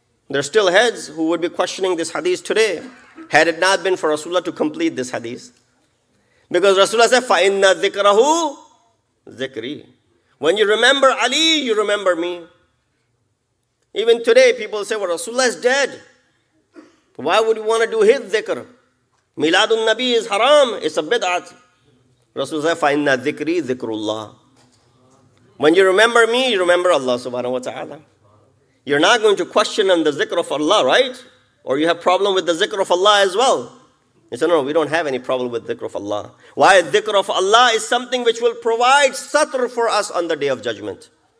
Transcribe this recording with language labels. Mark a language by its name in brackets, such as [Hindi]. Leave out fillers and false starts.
[English] There are still heads who would be questioning this hadith today, had it not been for Rasulullah to complete this hadith. Because Rasulullah said, [Arabic] فَإِنَّ ذِكْرَهُ ذِكْرِي. [English] When you remember Ali, you remember me. Even today, people say, well, Rasulullah is dead. Why would you want to do his dhikr? Miladun Nabi is haram. It's a bid'at. Rasulullah said, [Arabic] فَإِنَّ ذِكْرِي ذِكْرُ. [English] When you remember me, you remember Allah subhanahu wa ta'ala. You're not going to question on the zikr of Allah, right? Or you have problem with the zikr of Allah as well. He said, no, we don't have any problem with dhikr of Allah. Why? Dhikr of Allah is something which will provide satr for us on the Day of Judgment.